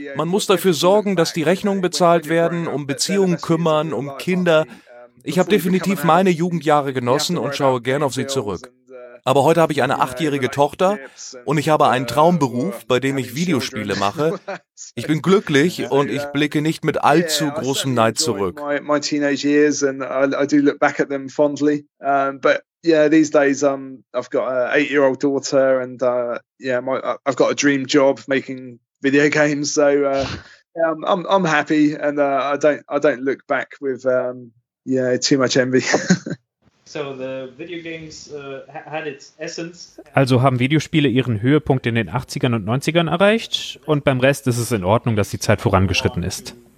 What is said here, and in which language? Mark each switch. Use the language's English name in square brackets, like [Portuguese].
[German] Man muss dafür sorgen, dass die Rechnungen bezahlt werden, um Beziehungen kümmern, um Kinder. Ich habe definitiv meine Jugendjahre genossen und schaue gern auf sie zurück. Aber heute habe ich eine 8-jährige Tochter und ich habe einen Traumberuf, bei dem ich Videospiele mache. Ich bin glücklich und ich blicke nicht mit allzu großem Neid zurück. [English] My teenage years and I do look back at them fondly. But yeah, these days I've got an 8-year-old daughter and I've got a dream job making video games. So I'm happy and I don't look back with too much envy. So the video games had its essence. [German] Also haben Videospiele ihren Höhepunkt in den 80ern und 90ern erreicht und beim Rest ist es in Ordnung, dass die Zeit vorangeschritten ist.